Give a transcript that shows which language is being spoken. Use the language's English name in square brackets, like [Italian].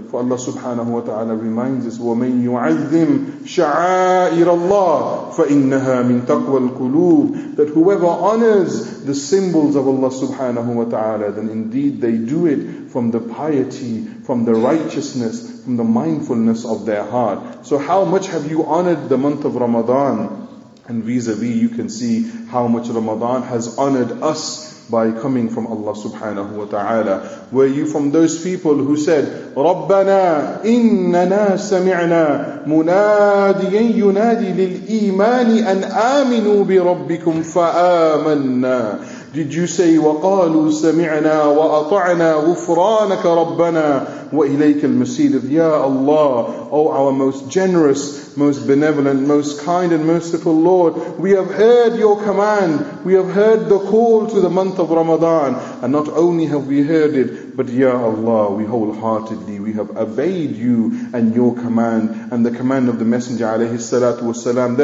[English] For Allah subhanahu wa ta'ala reminds us, [Arabic] وَمَنْ يُعَذِّمْ شَعَائِرَ اللَّهِ فَإِنَّهَا مِنْ تَقْوَى الْقُلُوبِ, [English] that whoever honors the symbols of Allah subhanahu wa ta'ala, then indeed they do it from the piety, from the righteousness, from the mindfulness of their heart. So how much have you honored the month of Ramadan? And vis-a-vis, you can see how much Ramadan has honored us by coming from Allah subhanahu wa ta'ala. Were you from those people who said, [Arabic] رَبَّنَا إِنَّنَا سَمِعْنَا مُنَادِيًا يُنَادِي لِلْإِيمَانِ أَنْ آمِنُوا بِرَبِّكُمْ فَآمَنَّا? [English] Did you say, [Arabic] وَقَالُوا سَمِعْنَا وَأَطَعْنَا غُفْرَانَكَ رَبَّنَا وَإِلَيْكَ الْمَسِيدِ? [English] Ya Allah, O our most generous, most benevolent, most kind and merciful Lord, we have heard your command, we have heard the call to the month of Ramadan, and not only have we heard it, but Ya Allah, we wholeheartedly, we have obeyed you and your command, and the command of the Messenger alayhi salatu wasalam.